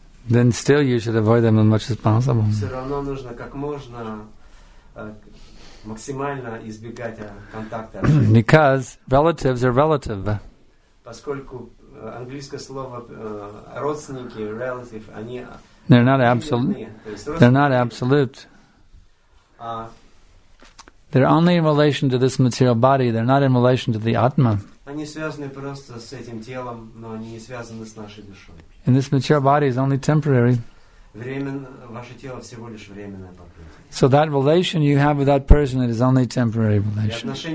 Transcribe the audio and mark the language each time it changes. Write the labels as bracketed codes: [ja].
[en] Then still you should avoid them as much as possible. [ru] Все равно нужно как можно максимально избегать контакта. [en] Because relatives are relative. [ru] Поскольку английское слово родственники, relative, они... [en] They're not absolute. They're not absolute. They're only in relation to this material body. They're not in relation to the Atma. [ru] Они связаны просто с этим телом, но они не связаны с нашей душой. [en] And this material body is only temporary. [ru] Ваше тело всего лишь временное покрытие. [en] So that relation you have with that person, it is only a temporary relation.